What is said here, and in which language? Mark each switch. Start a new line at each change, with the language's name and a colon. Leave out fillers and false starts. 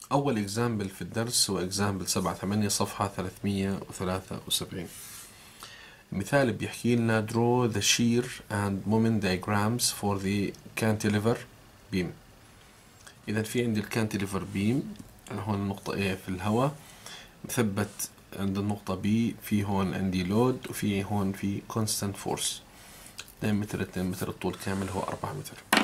Arabic: أول إكزامبل في الدرس هو إكزامبل 7-8 صفحة 373. مثال بيحكي لنا
English: draw the shear and moment diagrams for the cantilever beam.
Arabic: إذا في عندي الكانتيليفر بيم هون النقطة A في الهواء مثبت عند النقطة B، في هون عندي لود وفي هون في constant force 2 متر، 2 متر الطول كامل هو 4 متر.